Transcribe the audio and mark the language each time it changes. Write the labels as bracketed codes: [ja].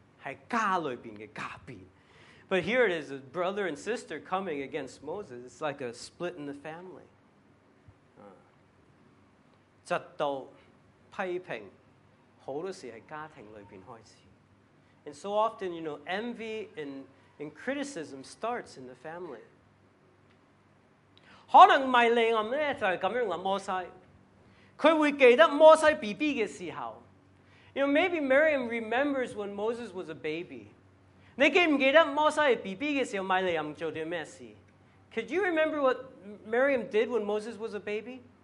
[yue] 但系有佢家姐佢哥哥咧，两个人嚟系挑战佢，系家里边嘅家变。 [en] But here it is, a brother and sister coming against Moses. It's like a split in the family. [yue] 嫉妒、批评。好多時係家庭裏邊開始。 [en] And so often, you know, envy and criticism starts in the family. [yue] 可能米利暗咧就係咁樣諗摩西，佢會記得摩西 BB 嘅時候。 [en] You know, maybe Miriam remembers when Moses was a baby. [yue] 你記唔記得摩西 BB 嘅時候，米利暗做啲咩事？ [en] Could you remember what Miriam did when Moses was a baby?